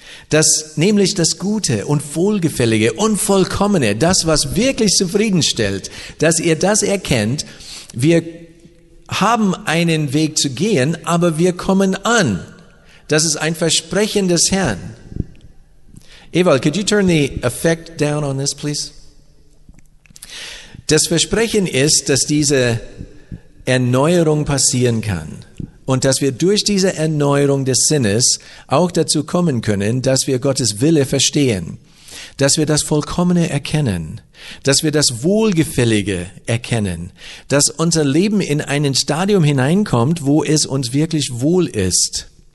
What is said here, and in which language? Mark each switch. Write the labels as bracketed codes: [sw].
[de] Das, nämlich das Gute und Wohlgefällige und Vollkommene, das, was wirklich zufriedenstellt, dass ihr das erkennt. Wir haben einen Weg zu gehen, aber wir kommen an. Das ist ein Versprechen des Herrn. [en] Ewald, could you turn the effect down on this, please? [de] Das Versprechen ist, dass diese Erneuerung passieren kann. Und dass wir durch diese Erneuerung des Sinnes auch dazu kommen können, dass wir Gottes Wille verstehen, dass wir das Vollkommene erkennen, dass wir das Wohlgefällige erkennen, dass unser Leben in ein Stadium hineinkommt, wo es uns wirklich wohl ist.